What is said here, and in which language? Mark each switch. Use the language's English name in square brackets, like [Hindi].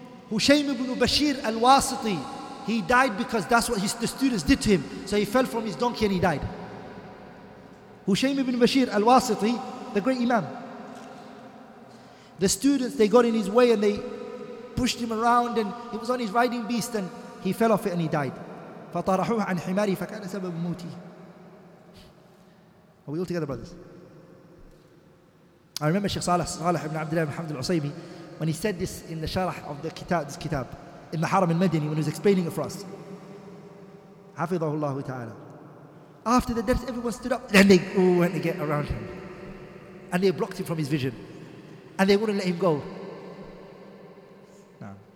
[English] Hushaym ibn Bashir al-Wasiti, he died because that's what the students did to him. So he fell from his donkey and he died. Hushaym ibn Bashir al-Wasiti, the great Imam. The students, they got in his way and they pushed him around and he was on his riding beast and he fell off it and he died. [Arabic] فطرحوه عن حماري فكان سبب موتي. [English] Are we all together, brothers? I remember Sheikh Salah ibn Abdullah ibn Hamd al-Usaymi, when he said this in the sharah of the kitab, this kitab, in the Haram al-Madini, when he was explaining it for us. [Arabic] حفظه الله تعالى. [English] After the death, everyone stood up. Then they went to get around him. And they blocked him from his vision. And they wouldn't let him go. No.